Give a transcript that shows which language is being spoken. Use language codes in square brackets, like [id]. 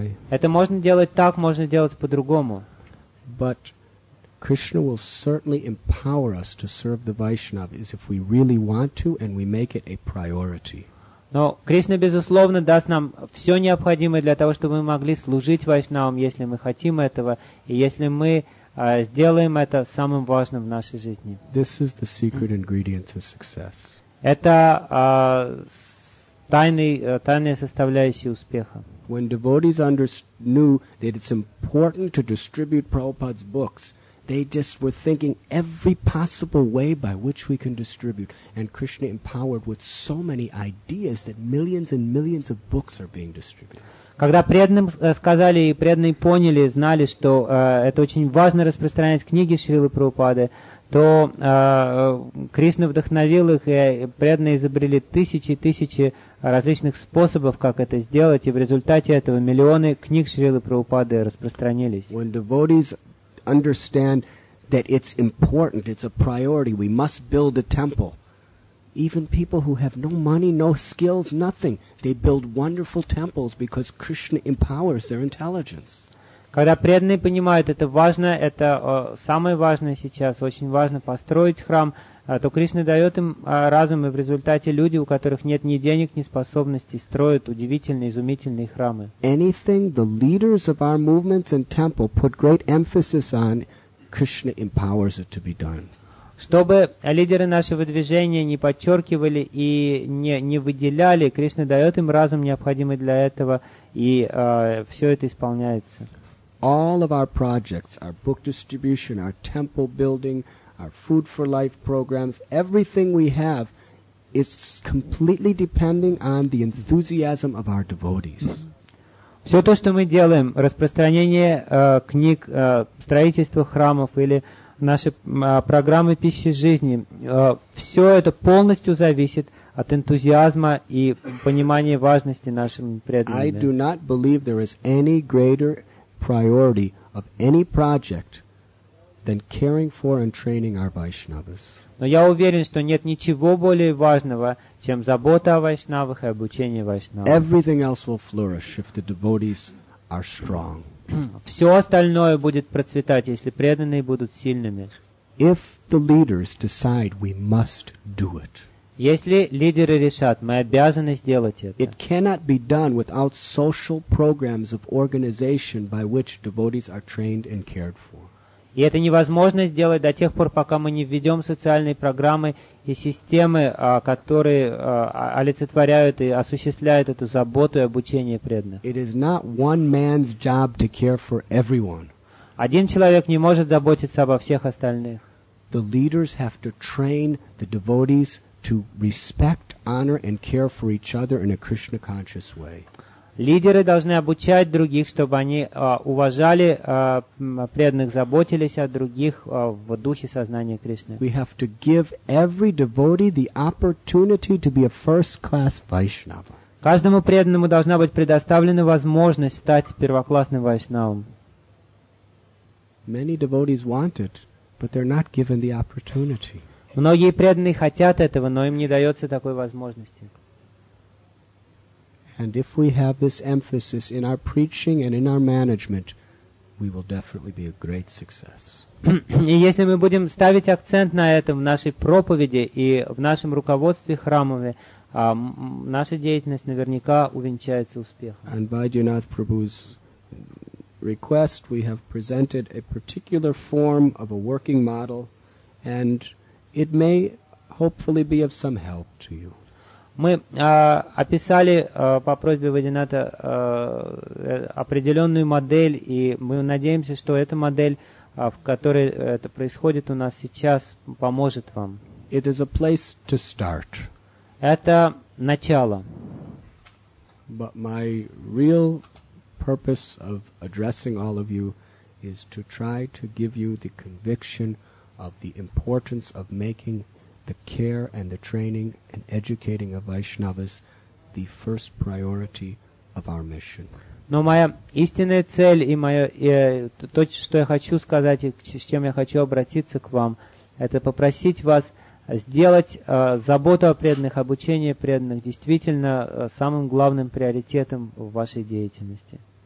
[ru] Это можно делать так, можно делать по-другому. [en] But Krishna will certainly empower us to serve the Vaishnavas if we really want to and we make it a priority. [ru] Но Кришна, безусловно, даст нам все необходимое для того, чтобы мы могли служить вайшнавам, если мы хотим этого, и если мы сделаем это самым важным в нашей жизни. [en] This is the secret ingredient to success. [ru] Это тайная составляющая успеха. [en] When devotees knew that it's important to distribute Prabhupada's books, they just were thinking every possible way by which we can distribute. And Krishna empowered with so many ideas that millions and millions of books are being distributed. [ru] Когда преданным сказали, и преданные поняли, знали, что это очень важно распространять книги Шрилы Прабхупады, то Кришна вдохновил их, и преданные изобрели тысячи и тысячи различных способов, как это сделать, и в результате этого миллионы книг Шрилы Прабхупады распространились. [en] When devotees understand that it's important, it's a priority, we must build a temple. Even people who have no money, no skills, nothing, they build wonderful temples because Krishna empowers their intelligence. [ru] Когда преданные понимают, это важно, это самое важное сейчас, очень важно построить храм, то Кришна дает им разум, и в результате люди, у которых нет ни денег, ни способностей, строят удивительные, изумительные храмы. [en] Anything the leaders of our movements and temple put great emphasis on, Krishna empowers it to be done. [ru] Чтобы лидеры нашего движения не подчеркивали и не выделяли, Кришна дает им разум, необходимый для этого, и все это исполняется. [en] All of our projects, our book distribution, our temple building, our food for life programs, everything we have is completely depending on the enthusiasm of our devotees. [ru] Все то, что мы делаем, распространение книг, строительство храмов или наши программы пищи жизни, все это полностью зависит от энтузиазма и понимания важности нашим преданным. [en] I do not believe there is any greater priority of any project than caring for and training our Vaishnavas. [ru] Но я уверен, что нет ничего более важного, чем забота о вайшнавах и обучение вайшнавам. [en] Everything else will flourish if the devotees are strong. [ru] Все остальное будет процветать, если преданные будут сильными. [en] If the leaders decide, we must do it. [ru] Если лидеры решат, мы обязаны сделать это. [en] It cannot be done without social programs of organization by which devotees are trained and cared for. [ru] И это невозможно сделать до тех пор, пока мы не введем социальные программы и системы, которые олицетворяют и осуществляют эту заботу и обучение преданных. [en] It is not one man's job to care for everyone. [ru] Один человек не может заботиться обо всех остальных. [en] The leaders have to train the devotees to respect, honor, and care for each other in a Krishna-conscious way. [ru] Лидеры должны обучать других, чтобы они уважали преданных, заботились о других в духе сознания Кришны. [en] We have to give every devotee the opportunity to be a first-class Vaishnava. [ru] Каждому преданному должна быть предоставлена возможность стать первоклассным вайшнавом. [en] Many devotees want it, but they're not given the opportunity. [ru] Многие преданные хотят этого, но им не дается такой возможности. [en] And if we have this emphasis in our preaching and in our management, we will definitely be a great success. [ru] И если мы будем ставить акцент на этом в нашей проповеди и в нашем руководстве храмове, наша деятельность наверняка увенчается успехом. [en] And by Dinath Prabhu's request, we have presented a particular form of a working model, and it may hopefully be of some help to you. [ru] Мы описали по просьбе Вадината определенную модель, и мы надеемся, что эта модель, в которой это происходит у нас сейчас, поможет вам. [en] It is a place to start. [ru] Это начало. [en] But my real purpose of addressing all of you is to try to give you the conviction of the importance of making the care and the training and educating of Vaishnavas the first priority of our mission. [ru] Но моя истинная цель и моё то, что я хочу сказать и с чем я хочу обратиться к вам, это попросить вас сделать заботу о преданных, обучение преданных действительно самым главным приоритетом в вашей деятельности.